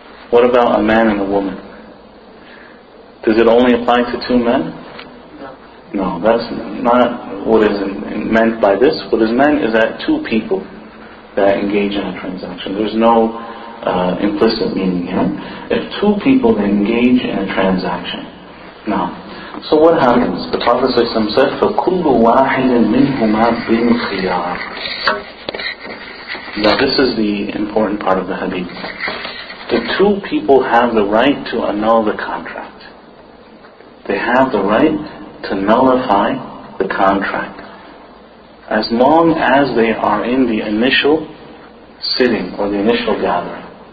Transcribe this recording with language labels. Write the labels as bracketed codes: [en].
[en] What about a man and a woman? Does it only apply to two men? No, that's not what is meant by this. What is meant is that two people that engage in a transaction. There's no implicit meaning here. If two people engage in a transaction. Now, so what happens? The Prophet ﷺ said, [ar] فَكُلُّ وَاحِدٍ مِنْهُمَا بِالْخِيَارِ. [en] Now this is the important part of the hadith. The two people have the right to annul the contract. They have the right to nullify the contract. As long as they are in the initial sitting or the initial gathering.